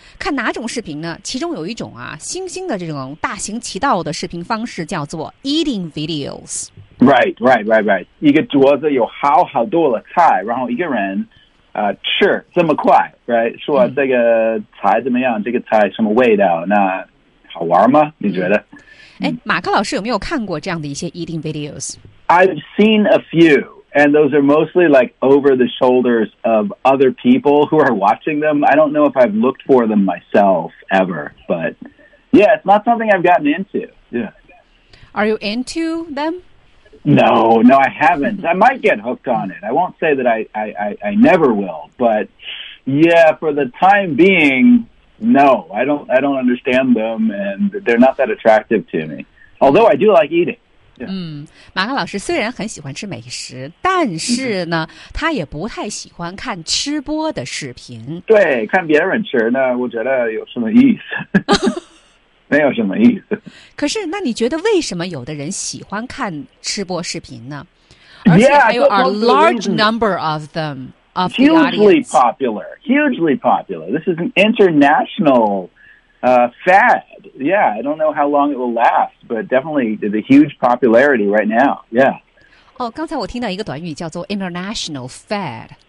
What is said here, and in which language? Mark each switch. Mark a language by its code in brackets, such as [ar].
[zh] 看哪种视频呢？其中有一种啊，新兴的这种大行其道的视频方式叫做 eating videos。 [en] Right, right, right, right. [zh] 一个桌子有好好多的菜，然后一个人。吃这么快 [en] right [zh] 说这个菜怎么样、这个菜什么味道那好玩吗你觉得马克老师有没有看过这样的一些 eating videos [en] I've seen a few and those are mostly like over the shoulders of other people who are watching them I don't know if I've looked for them myself ever but yeah it's not something I've gotten into yeah are you into them No, no, I haven't. I might get hooked on it. I won't say that I never will. But, yeah, for the time being, no. I don't understand them, and they're not that attractive to me. Although I do like eating. Yeah. [zh] 马克老师虽然很喜欢吃美食，但是呢，他也不太喜欢看吃播的视频。对，看别人吃，那我觉得有什么意思？没有什么意思。可是，那你觉得为什么有的人喜欢看吃播视频呢？而且还有 [en] a large number of them of the audience. Hugely popular, hugely popular. This is an international fad. Yeah, I don't know how long it will last, but definitely the huge popularity right now. Yeah. [zh] 刚才我听到一个短语叫做 [en] international fad.